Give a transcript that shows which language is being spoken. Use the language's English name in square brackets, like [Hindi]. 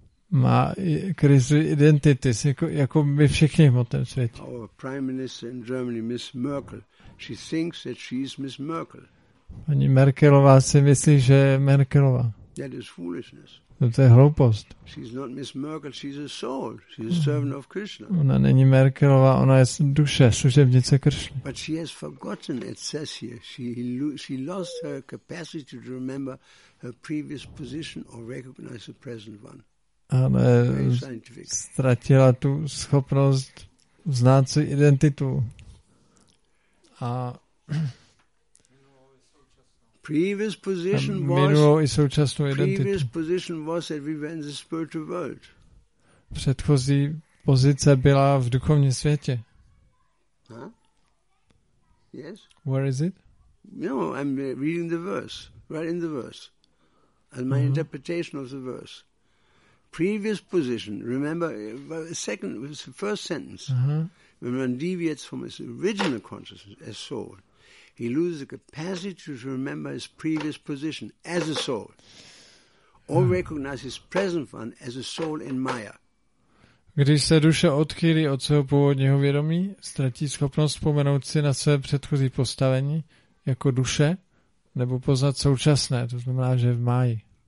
[Czech] Má krizi identity, jako my všichni v tom světě. [English] Our prime minister in Germany, Miss Merkel, she thinks that she is Miss Merkel. [Czech] Paní Merkelová si myslí, že je Merkelová. [English] That is foolishness. [Czech] No, to je hloupost. [English] She's not Miss Merkel, she's a soul. She's a servant of Krishna. [Czech] Ona není Merkelová, ona je duše, služebnice Krishny. [English] But she has forgotten, it says here, she lost her capacity to remember her previous position or recognize the present one. [Czech] Ale ztratila tu schopnost znát si identitu. A [English] previous position was [Czech] minulou i současnou identitu. [English] Previous position was that we were in the spiritual world. [Czech] Předchozí pozice byla v duchovním světě. [English] Huh? Yes. Where is it? No, I'm reading the verse, right in the verse, and my interpretation of the verse. Previous position, remember, second, it was the first sentence. When one deviates from his original consciousness as soul, he loses the capacity to remember his previous position as a soul, or recognize his present one as a soul in Maya. [Czech] Když se duše odchýlí od svého původního vědomí, ztratí schopnost vzpomenout si na své předchozí postavení jako duše, nebo poznat současné, to znamená, že v máji.